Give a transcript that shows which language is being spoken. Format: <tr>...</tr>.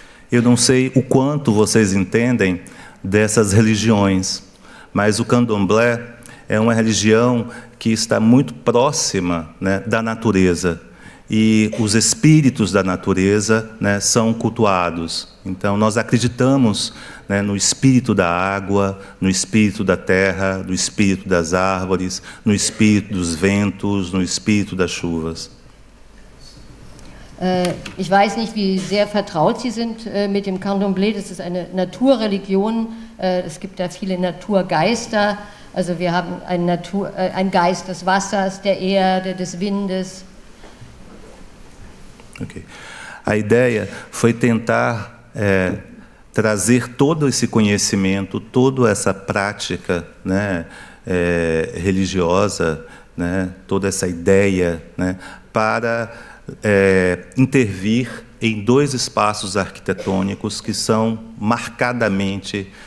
<pt>Eu não sei o quanto vocês entendem dessas religiões, mas o candomblé é uma religião que está muito próxima, né, da natureza. E os espíritos da natureza, né, são cultuados. Então, nós acreditamos, né, no espírito da água, no espírito da terra, no espírito das árvores, no espírito dos ventos, no espírito das chuvas.</pt> <de>Ich weiß nicht, wie sehr vertraut Sie sind mit dem Candomblé. Das ist eine Naturreligion. Es gibt da viele Naturgeister. Also wir haben einen Geist des Wassers, der Erde, des Windes. Okay.</de> <pt>A ideia foi tentar trazer todo esse conhecimento, toda essa prática, né, religiosa, né, toda essa ideia, né, para intervir em dois espaços arquitetônicos que são marcadamente</pt>